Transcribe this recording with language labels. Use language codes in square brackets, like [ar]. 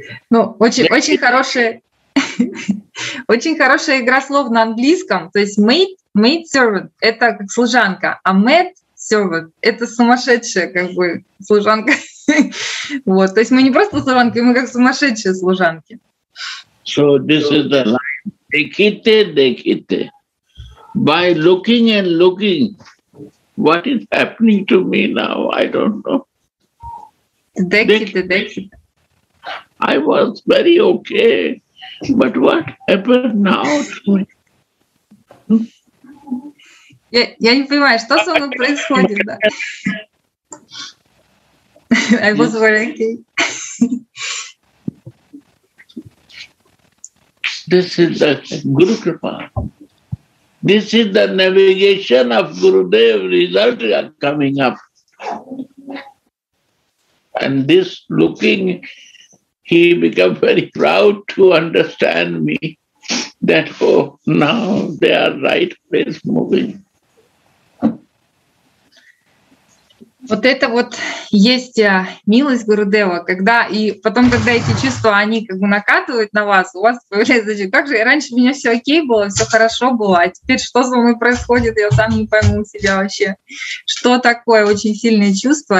[ru] Ну, очень хорошая, очень хорошая игра слов на английском. То есть [en] maid servant [ru] — это как служанка, а [en] mad servant [ru] — это сумасшедшая как бы служанка. Вот, то есть мы не просто служанки, мы как сумасшедшие служанки. [en] So this is the line. Dekhte. By looking and looking, what is happening to me now? I don't know. [bn] Dekhte. [en] I was very okay, but what happened now to me? [ru] Я не понимаю, что со мной происходит, да? [en] I was very okay. This is the Guru Kripa. This is the navigation of Gurudev result coming up. And this looking, he becomes very proud to understand me that, oh, now they are right place moving. [ru] Вот это вот есть милость Гурудева, когда и потом, когда эти чувства, они как бы накатывают на вас, у вас появляется, значит, как же, раньше у меня все окей было, все хорошо было, а теперь что со мной происходит, я сам не пойму себя вообще, что такое очень сильное чувство.